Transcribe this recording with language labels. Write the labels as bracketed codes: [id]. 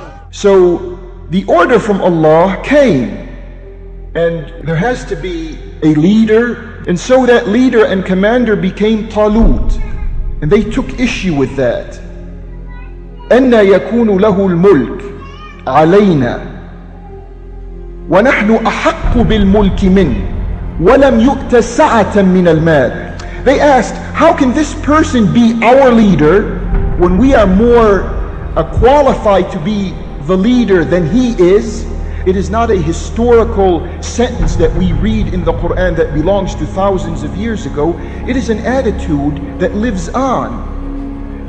[en] So the order from Allah came, and there has to be a leader, and so that leader and commander became Talut, and they took issue with that. [ar] أن يكون له الملك علينا ونحن أحق بالملك منه ولم يؤت سعة من المال. [en] They asked, how can this person be our leader when we are more qualified to be the leader than he is? It is not a historical sentence that we read in the Quran that belongs to thousands of years ago. It is an attitude that lives on.